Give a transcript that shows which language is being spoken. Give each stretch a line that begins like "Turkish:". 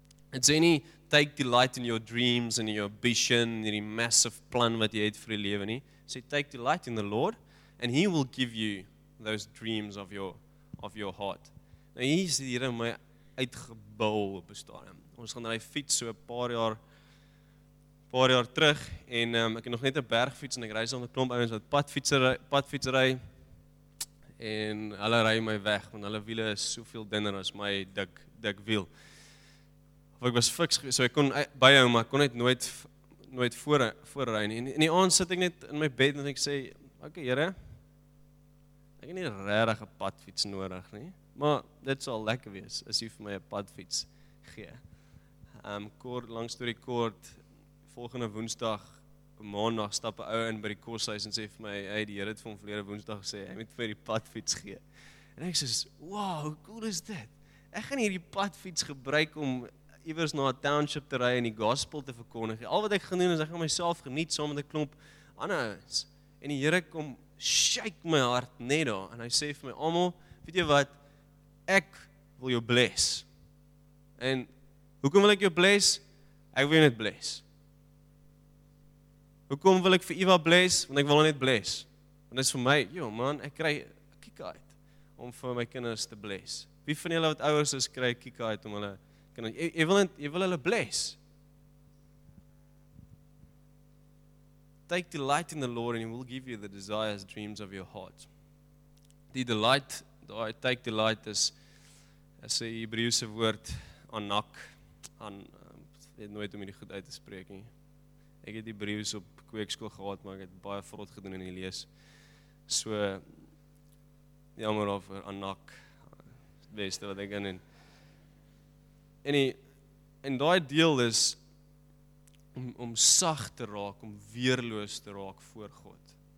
Afrikaans: Het sê nie,
English: take delight in your dreams and your ambition,
Afrikaans: in die massive plan wat jy het vir die lewe nie. Sê,
English: take delight in the Lord and he will give you those dreams of your heart.
Afrikaans: Nou hier is die Here my uitgebul op die stadium. Ons gaan daai fiets so 'n paar jaar paar jaar terug en ek het nog net 'n bergfiets en ek ry saam met 'n klomp ouens wat padfietsry en hulle ry my weg want hulle wiele is soveel dunner as my dik wiel. Of ek was fiks so ek kon byhou maar kon net nooit voor ry nie. In die aand sit ek net in my bed en ek sê, "Oké, Here, ek het nie regtig 'n padfiets nodig nie, maar dit sal lekker wees as U vir my 'n padfiets gee." Kort langs deur die kort volgende woensdag maandag stap 'n ou in by die koshuis en sê vir my, "Hey, die Here het vir hom verlede woensdag gesê hy moet vir die padfiets gee." En ek sê, "Wow, hoe cool is dit? Ek gaan hierdie padfiets gebruik om iewers na 'n township te ry en die gospel te verkondig. Al wat ek gaan doen is ek gaan myself geniet saam met 'n klomp ander ouens." En die Here kom shake my hart net daar en hy sê vir my, "Almal, weet jy wat? Ek wil jou bless." En hoekom wil ek jou bless? Ek wil jou net bless. Hoekom wil ek vir Eva bless? Want ek wil net bless. Want dit is vir my, joh man, ek kry 'n kick uit om vir my kinders te bless. Wie van julle wat ouers is, kry 'n kick uit om hulle kinders, jy wil hulle bless.
English: Take delight in the Lord and He will give you the desires, dreams of your heart.
Afrikaans: Die delight, daai
English: take delight
Afrikaans: is 'n Hebreëse woord, anak, ek het nooit om hierdie goed uit te spreek nie. Ek het Hebreëse op kweekskool gehad, maar ek het baie vrot gedoen in die lees. So, jammer of anak, het beste wat ek kan doen. En daai deel is, om sag te raak, om weerloos te raak voor God.